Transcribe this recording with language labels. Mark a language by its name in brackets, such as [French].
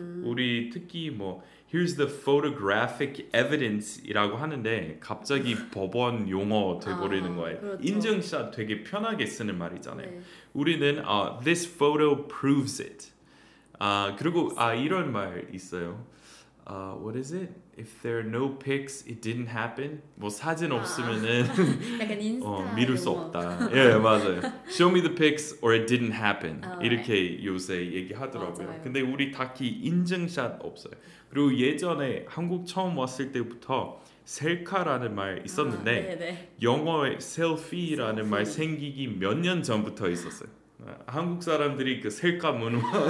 [Korean] 우리 특히 뭐 [English] here's the photographic evidence [Korean] 이라고 하는데 갑자기 법원 용어 돼버리는 거예요. 그렇죠. 인증샷 되게 편하게 쓰는 말이잖아요. 네. 우리는 [English] this photo proves it. [Korean] 아, 그리고 아 이런 말 있어요. [English] What is it? If there are no pics, it didn't happen. [Korean] 뭐 사진 없으면은 약간 인스타 믿을 수 없다. 예, 네, 맞아요. [English] Show me the pics or it didn't happen. [Korean] 이렇게 요새 얘기하더라고요. 맞아요. 근데 우리 딱히 인증샷 없어요. 그리고 예전에 한국 처음 왔을 때부터 셀카라는 말 있었는데 영어에 셀피라는 말 생기기 몇 년 전부터 있었어요. 한국 사람들이 그 셀카 문화